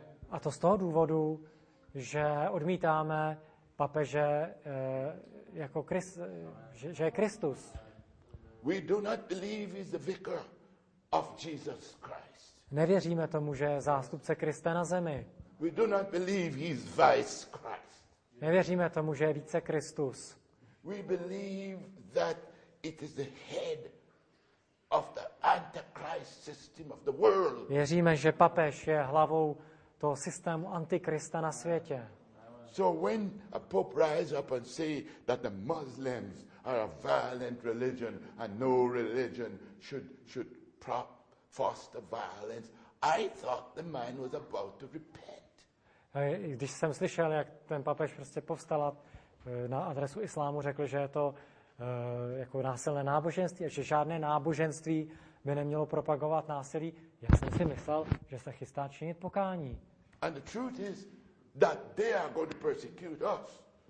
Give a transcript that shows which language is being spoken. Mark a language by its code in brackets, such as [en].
[cs] A to z toho důvodu, že odmítáme papeže jako že je Kristus. [en] We do not believe he's the vicar of Jesus Christ. [cs] Nevěříme tomu, že je zástupce Krista na zemi. [en] We do not believe he is vice Christ. [cs] Nevěříme tomu, že je více Kristus. [en] We believe that it is the head of the antichrist system of the world. [cs] Věříme, že papež je hlavou toho systému antikrista na světě. [en] So when a pope rises up and say that the Muslims are a violent religion and no religion should prop foster violence, I thought the man was about to repent. [cs] Když jsem slyšel, jak ten papež prostě povstal na adresu islámu, řekl, že je to jako násilné náboženství a že žádné náboženství by nemělo propagovat násilí, já jsem si myslel, že se chystá činit pokání. [en] And the truth is that they are going to persecute us.